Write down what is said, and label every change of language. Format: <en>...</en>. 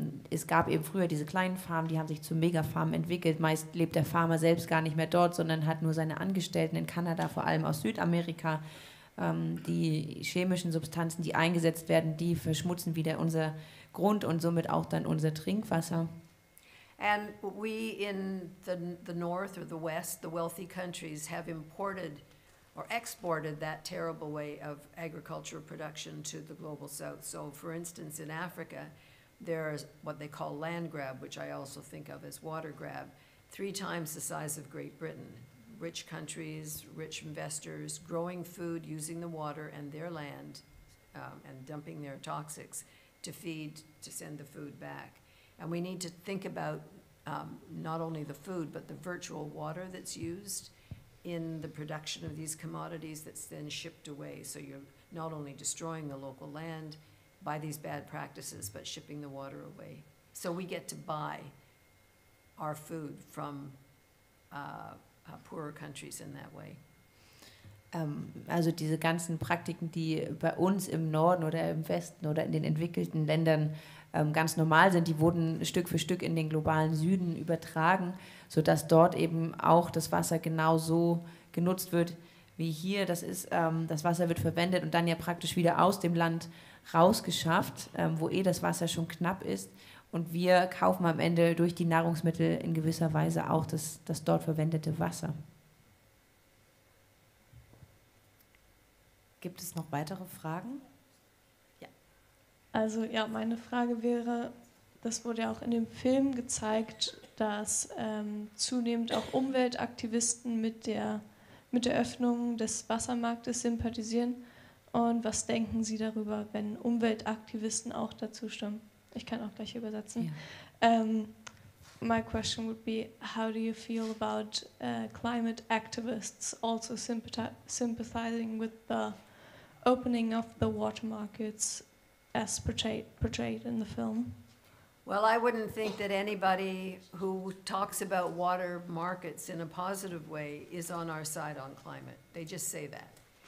<de>Es gab eben früher diese kleinen Farmen, die haben sich zu Megafarmen entwickelt. Meist lebt der Farmer selbst gar nicht mehr dort, sondern hat nur seine Angestellten in Kanada, vor allem aus Südamerika. Die chemischen Substanzen, die eingesetzt werden, die verschmutzen wieder unser Grund und somit auch dann unser Trinkwasser.</de> <en>And we in the north or the west, the wealthy countries, have imported or exported that terrible way of agricultural production to the global south. So for instance, in Africa, there's what they call land grab, which I also think of as water grab, three times the size of Great Britain. Rich countries, rich investors, growing food, using the water and their land, and dumping their toxics to feed, to send the food back. And we need to think about not only the food, but the virtual water that's used in the production of these commodities that's then shipped away. So you're not only destroying the local land by these bad practices, but shipping the water away. So we get to buy our food from poorer countries in that way.</en> <de>Also diese ganzen Praktiken, die bei uns im Norden oder im Westen oder in den entwickelten Ländern ganz normal sind, die wurden Stück für Stück in den globalen Süden übertragen, sodass dort eben auch das Wasser genau so genutzt wird wie hier. Das ist, das Wasser wird verwendet und dann ja praktisch wieder aus dem Land rausgeschafft, wo eh das Wasser schon knapp ist. Und wir kaufen am Ende durch die Nahrungsmittel in gewisser Weise auch das dort verwendete Wasser. Gibt es noch weitere Fragen? Also ja, meine Frage wäre, das wurde ja auch in dem Film gezeigt, dass zunehmend auch Umweltaktivisten mit der Öffnung des Wassermarktes sympathisieren. Und was denken Sie darüber, wenn Umweltaktivisten auch dazu stimmen? Ich kann auch gleich übersetzen. Yeah.</de> <en>My question would be, how do you feel about climate activists also sympathizing with the opening of the water markets as portrayed in the film? Well, I wouldn't think that anybody who talks about water markets in a positive way is on our side on climate. They just say that.</en>